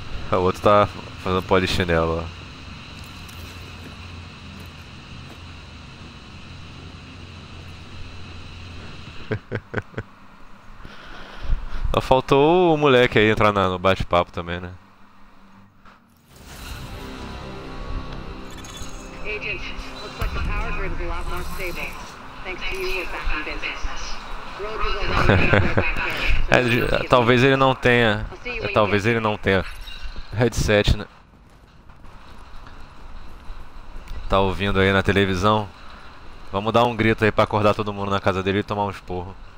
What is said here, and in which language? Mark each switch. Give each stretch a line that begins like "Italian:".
Portuguese: O outro tá fazendo polichinelo, ó. Só faltou o moleque aí entrar no bate-papo também, né?
English: Agent, looks like the power grid is a lot more stable. Thanks to you, we're back in business. Road is a lot back.
Portuguese: Talvez ele não tenha. Talvez ele não tenha headset, né? Tá ouvindo aí na televisão? Vamos dar um grito aí pra acordar todo mundo na casa dele e tomar um esporro.